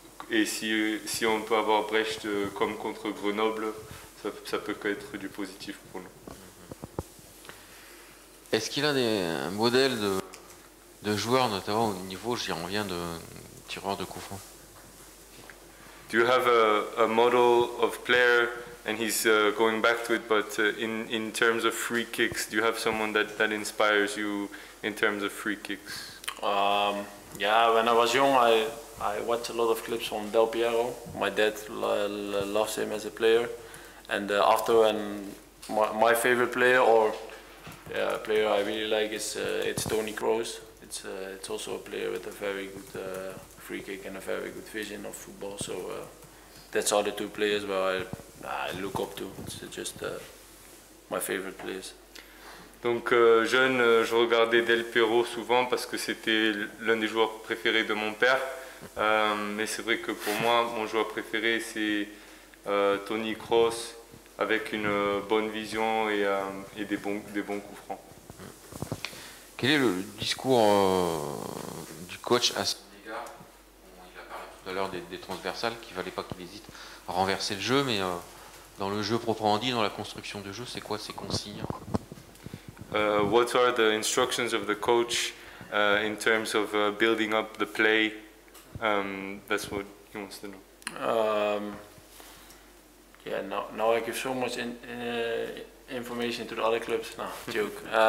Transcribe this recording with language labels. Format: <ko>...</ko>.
<fr>Et si on peut avoir Brecht comme contre Grenoble, ça peut être du positif pour nous. Est-ce qu'il a un modèle de joueur, notamment au niveau, j'y reviens, de tireur de coup franc?</fr> <en>Do you have a model of player, and he's going back to it, but in terms of free kicks, do you have someone that inspires you in terms of free kicks? Yeah, when I was young, I watched a lot of clips on Del Piero. My dad loves him as a player, and my favorite player a player I really like is Toni Kroos. It's also a player with a very good free kick and a very good vision of football. So that's all the two players where I look up to. It's just my favorite players.</en> <fr>Donc jeune, je regardais Del Piero souvent parce que c'était l'un des joueurs préférés de mon père. Mais c'est vrai que pour moi, mon joueur préféré c'est Toni Kroos, avec une bonne vision et des bons coups francs. Quel est le discours du coach à son égard? Il a parlé tout à l'heure des transversales, qu'il ne fallait pas qu'il hésite à renverser le jeu, mais dans le jeu proprement dit, dans la construction de jeu, c'est quoi ces consignes?</fr> <en>What are the instructions of the coach in terms of building up the play? That's what he wants to know. Yeah, now I give so much information to the other clubs. No, joke.</en>